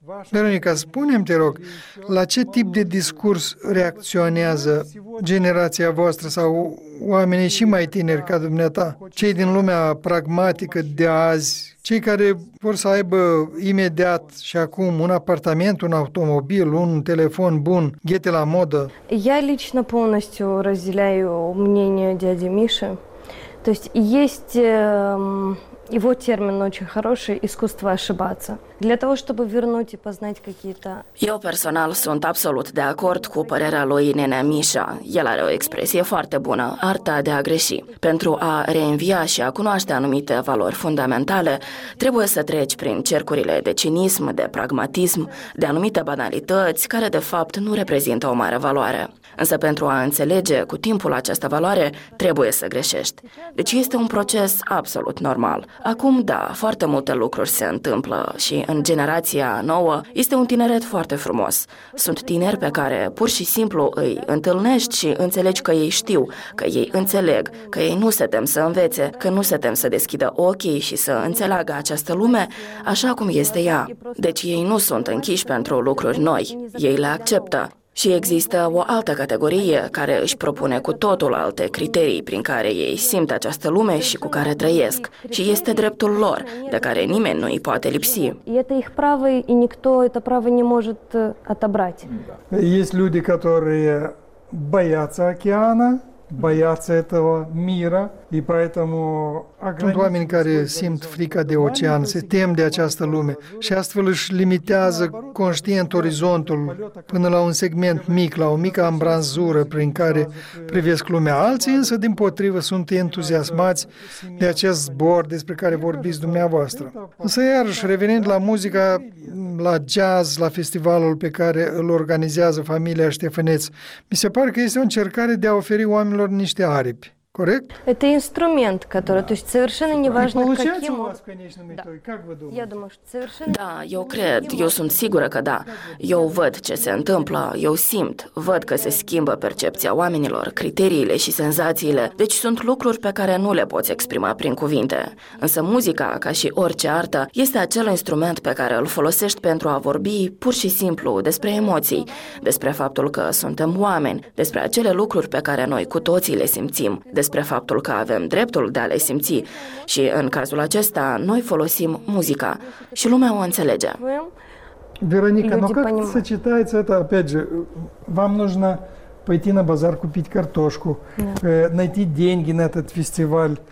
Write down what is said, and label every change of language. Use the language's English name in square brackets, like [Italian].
[Romanian] Veronica, spune-mi, te rog, la ce tip de discurs reacționează generația voastră sau oamenii și mai tineri ca dumneata, cei din lumea pragmatică de azi, cei care vor să aibă imediat și acum un apartament, un automobil, un telefon bun, ghete la modă? [Russian] Я лично полностью разделяю мнение дяди Миши. То есть есть его термин очень хороший – искусство ошибаться. Для того, чтобы вернуть и познать какие-то... [Romanian] Eu personal sunt absolut de acord cu părerea lui Nenea Mișa. El are o expresie foarte bună, arta de a greși. Pentru a reînvia și a cunoaște anumite valori fundamentale, trebuie să treci prin cercurile de cinism, de pragmatism, de anumite banalități, care de fapt nu reprezintă o mare valoare. Însă pentru a înțelege cu timpul această valoare, trebuie să greșești. Deci este un proces absolut normal. Acum, da, foarte multe lucruri se întâmplă și în generația nouă este un tineret foarte frumos. Sunt tineri pe care pur și simplu îi întâlnești și înțelegi că ei știu, că ei înțeleg, că ei nu se tem să învețe, că nu se tem să deschidă ochii și să înțeleagă această lume așa cum este ea. Deci ei nu sunt închiși pentru lucruri noi, ei le acceptă. Și există o altă categorie care își propune cu totul alte criterii prin care ei simt această lume și cu care trăiesc. Și este dreptul lor, de care nimeni nu îi poate lipsi. Este [Russian] их право и никто это право не может отобрать. Есть люди, которые боятся океана, боятся этого мира, и поэтому [Romanian] sunt oameni care simt frica de ocean, se tem de această lume și astfel își limitează conștient orizontul până la un segment mic, la o mică ambranzură prin care privesc lumea. Alții însă, din potrivă, sunt entuziasmați de acest zbor despre care vorbiți dumneavoastră. Însă, iarăși, revenind la muzica, la jazz, la festivalul pe care îl organizează familia Ștefăneț, mi se pare că este o încercare de a oferi oamenilor niște aripi. [English] Correct? [Russian] Это инструмент, который, то есть совершенно неважно каким. Получается у вас, конечно, методик. Как вы думаете? Я думаю, что совершенно. Да, [Romanian] eu cred, eu sunt sigură că da. Eu văd ce se întâmplă, eu simt, văd că se schimbă percepția oamenilor, criteriile și senzațiile. Deci sunt lucruri pe care nu le poți exprima prin cuvinte. Însă muzica, ca și orice artă, este acel instrument pe care îl folosești pentru a vorbi pur și simplu despre emoții, despre faptul că suntem oameni, despre acele lucruri pe care noi cu toții le simțim. Despre faptul că avem dreptul de a le simți și în cazul acesta noi folosim muzica și lumea o înțelege. Veronica, no [Russian] как сочетается это опять же вам нужно пойти на базар купить картошку, найти деньги на этот фестиваль.